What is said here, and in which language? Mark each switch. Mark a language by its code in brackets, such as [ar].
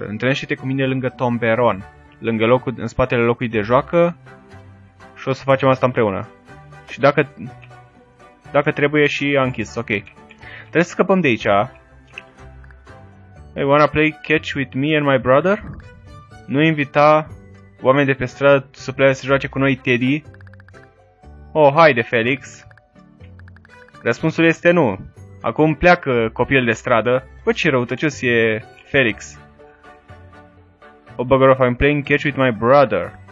[ro] Întâlnește-te cu mine lângă Tom Baron. Lângă locul, în spatele locului de joacă. Și o să facem asta împreună. Și dacă... Dacă trebuie și a închis. Ok. Trebuie să scăpăm de aici. [en] Hey, wanna play catch with me and my brother? [ro] Nu invita oameni de pe stradă să pleacă să joace cu noi, Teddy? Oh, haide, Felix. Răspunsul este nu. Acum pleacă copil de stradă. Bă, ce răutăcios e Felix. [en] Oh, bugger off, I'm playing catch with my brother.